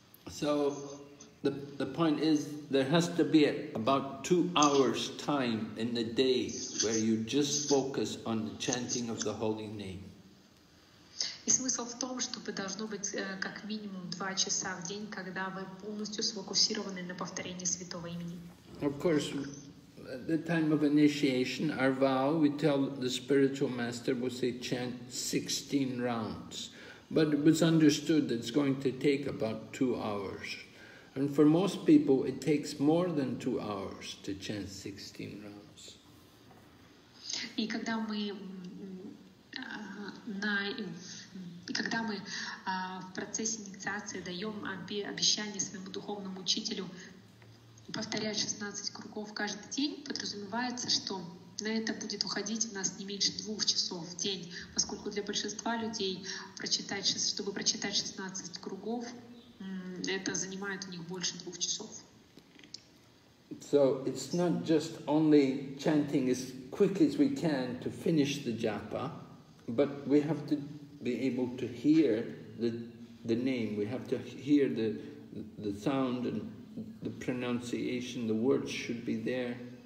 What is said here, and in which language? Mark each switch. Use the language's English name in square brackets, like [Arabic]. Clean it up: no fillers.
[English] So the point is, there has to be about 2 hours time in the day where you just focus on the chanting of the holy name. [Russian] И смысл в том, чтобы должно быть как минимум 2 часа в день, когда вы полностью сфокусированы на повторении святого имени. [English] Of course. At the time of initiation, our vow, we tell the spiritual master, we'll say, chant 16 rounds. But it was understood that it's going to take about 2 hours. And for most people, it takes more than 2 hours to chant 16 rounds. [Russian] И когда мы в процессе инициации даем обещание своему духовному учителю повторять 16 кругов каждый день, подразумевается, что на это будет уходить у нас не меньше 2 часов в день, поскольку для большинства людей, чтобы прочитать 16 кругов, это занимает у них больше 2 часов. [English] So it's not just only chanting as quick as we can to finish the japa, but we have to be able to hear the name, we have to hear the sound and the pronunciation, the words should be there.